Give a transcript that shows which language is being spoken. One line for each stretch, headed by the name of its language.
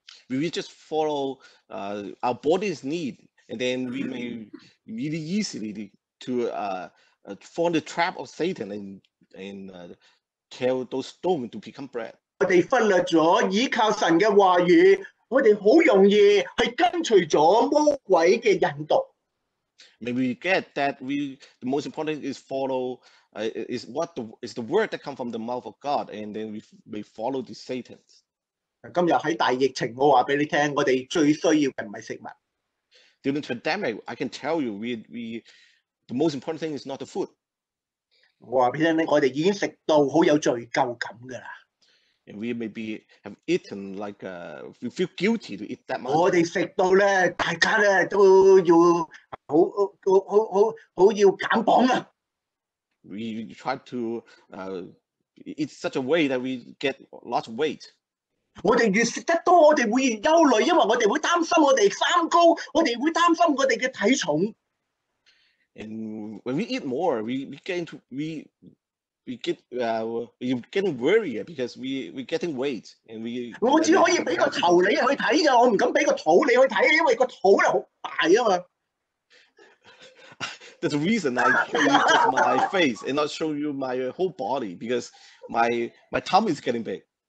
English: We just follow our body's need, and then we may really easily to fall the trap of Satan and tell those stones to become bread.
Cantonese: 我哋忽略咗依靠神嘅话语，我哋好容易系跟随咗魔鬼嘅引导。
English: Maybe we get that the most important is follow. Is the word that come from the mouth of God, and then we follow the Satan.
Cantonese: 今日喺大疫情，我话俾你听，我哋最需要嘅唔系食物。
English: During the pandemic, I can tell you, we the most important thing is not the food.
Cantonese: 我话俾你听，我哋已经食到好有罪疚感噶啦。
English: And we maybe have eaten we feel guilty to eat that much.
Cantonese: 我哋食到咧，大家咧都要好要减磅啊！
English: We try to eat such a way that we get lots of weight.
Cantonese: 我哋越食得多，我哋会越忧虑，因为我哋会担心我哋三高，我哋会担心我哋嘅体重。
English: And when we eat more, we get worried because we getting weight and we.
Cantonese: 我只可以俾个头你去睇噶，我唔敢俾个肚你去睇，因为个肚咧好大啊嘛。
English: there's a reason I show you just my face and not show you my whole body because my tummy is getting big.